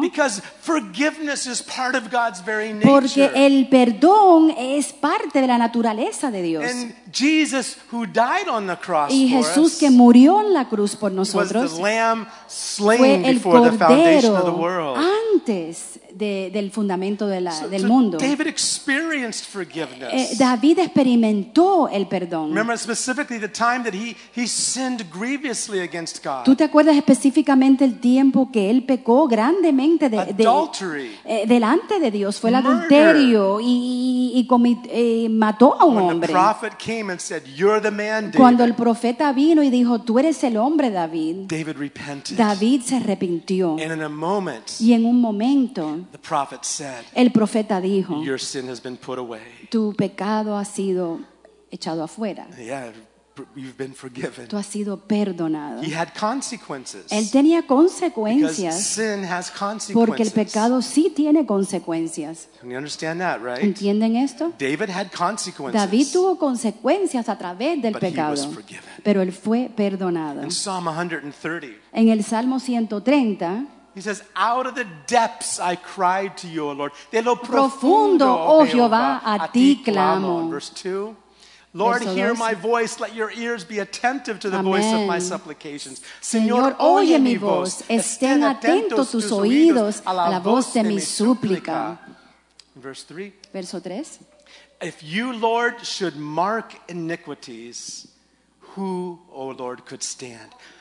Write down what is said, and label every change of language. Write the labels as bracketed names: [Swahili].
[English] Because forgiveness is part of God's very nature. [Spanish] Porque el perdón es parte de la naturaleza de Dios. [English] And Jesus, who died on the cross [Spanish] y Jesús que murió en la cruz por nosotros, [English] was the lamb slain before the foundation of the world. [Spanish] Antes del fundamento de del mundo. [English] David experienced forgiveness. [Spanish] David experimentó el perdón. [English] Remember specifically the time that he sinned grievously against God. [Spanish] ¿Tú te acuerdas específicamente el tiempo que él pecó grandemente delante de Dios? Fue el adulterio y mató a un hombre. [English] The prophet came and said, "You're the man, David." [Spanish] Cuando el profeta vino y dijo, "Tú eres el hombre, David." [English] David repented. [Spanish] David se arrepintió. [English] And in a moment, [Spanish] y en un momento, [English] the prophet said, [Spanish] el profeta dijo, [English] "Your sin has been put away." [Spanish] Tu pecado ha sido echado afuera. [English] Yeah, you've been forgiven. [Spanish] Tú has sido perdonado. [English] He had consequences. [Spanish] Él tenía consecuencias. [English] Because sin has consequences. [Spanish] Porque el pecado sí tiene consecuencias. [English] You understand that, right? [Spanish] ¿Entienden esto? [English] David had consequences. [Spanish] David tuvo consecuencias a través del pecado. [English] But he was forgiven. [Spanish] Pero él fue perdonado. [English] In Psalm 130. [Spanish] En el Salmo 130. [English] He says, "Out of the depths I cried to you, O Lord. [Spanish] De lo profundo, oh Jehová, a ti clamo." [English] Verse 2. "Lord, hear my voice. Let your ears be attentive to the voice of my supplications. [Spanish] Señor, oye mi voz. Estén atentos tus oídos a la voz de mi súplica." [English] Verse 3. "If you, Lord, should mark iniquities, who, O Lord, could stand?